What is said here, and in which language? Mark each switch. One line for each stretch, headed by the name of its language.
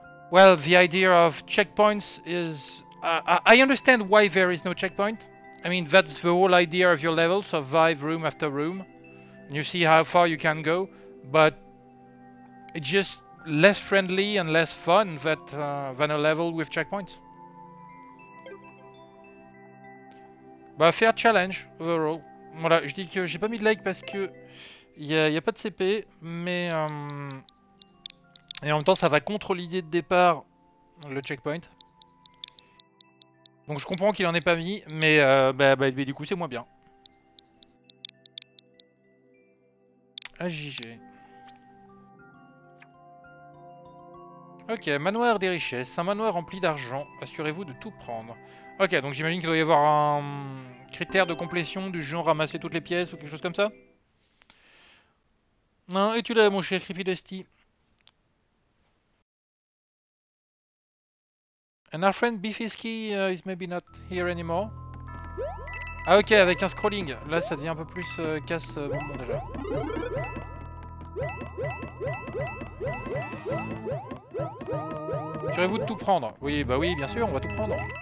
English: Well, the idea of checkpoints is... I understand why there is no checkpoint. I mean, that's the whole idea of your level, survive room after room. And you see how far you can go. But... It just... less friendly and less fun that than a level with checkpoints. Bah, fair challenge overall.
French: Voilà, je dis que j'ai pas mis de like parce que y a pas de CP, mais et en même temps ça va contre l'idée de départ, le checkpoint. Donc je comprends qu'il en ait pas mis, mais bah du coup c'est moins bien. AJG. Ok, manoir des richesses, un manoir rempli d'argent, assurez-vous de tout prendre. Ok, donc j'imagine qu'il doit y avoir un critère de complétion du genre ramasser toutes les pièces ou quelque chose comme ça. Non, et tu l'as mon cher Krippidesti.
English: And our friend Bifisky is maybe not here anymore.
French: Ah ok, avec un scrolling, là ça devient un peu plus casse bonbon déjà. Assurez-vous de tout prendre. Oui, bah oui, bien sûr, on va tout prendre.